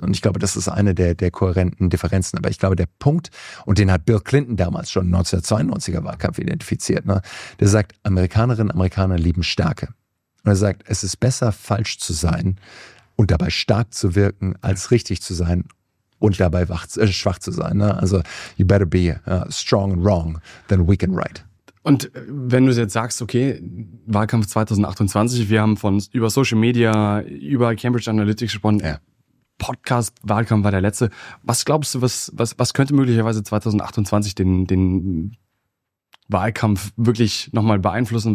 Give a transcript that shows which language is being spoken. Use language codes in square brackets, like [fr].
[de] Und ich glaube, das ist eine der kohärenten Differenzen. Aber ich glaube, der Punkt, und den hat Bill Clinton damals schon im 1992er Wahlkampf identifiziert, ne? Der sagt, Amerikanerinnen und Amerikaner lieben Stärke. Und er sagt, es ist besser, falsch zu sein und dabei stark zu wirken, als richtig zu sein und dabei schwach zu sein. Ne? [en] Also, you better be strong and wrong than weak and right. [de] Und wenn du jetzt sagst, okay, Wahlkampf 2028, wir haben von über Social Media, über Cambridge Analytics gesprochen, Podcast-Wahlkampf war der letzte. Was glaubst du, was könnte möglicherweise 2028 den Wahlkampf wirklich nochmal beeinflussen?